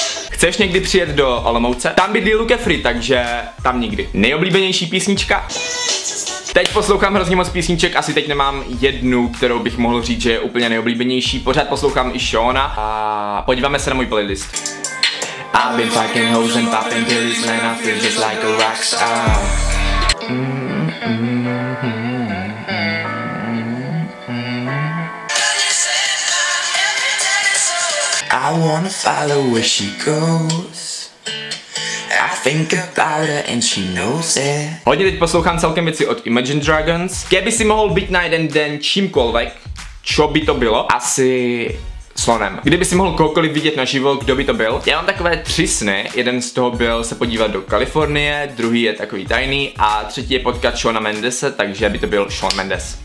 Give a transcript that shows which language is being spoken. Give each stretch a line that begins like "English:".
Czech: Chceš někdy přijet do Olomouce? Tam bydlí Luke Free, takže tam nikdy. Nejoblíbenější písnička? Teď poslouchám hrozně moc písniček, asi teď nemám jednu, kterou bych mohl říct, že je úplně nejoblíbenější. Pořád poslouchám i Shona a podíváme se na můj playlist.
English: I've been fucking hoes and popping pills, man, I feel just like a rock star. I wanna follow where she goes. I think about her and she knows it.
Czech: Hodně teď poslouchám celkem věci od Imagine Dragons. Kdyby si mohl být na jeden den čímkoliv, čo by to bylo? Asi slonem. Kdyby si mohl koukoliv vidět naživo, kdo by to byl? Já mám takové 3 sny. Jeden z toho byl se podívat do Kalifornie, druhý je takový tajný a třetí je potkat Shona Mendese, takže by to byl Shawn Mendes.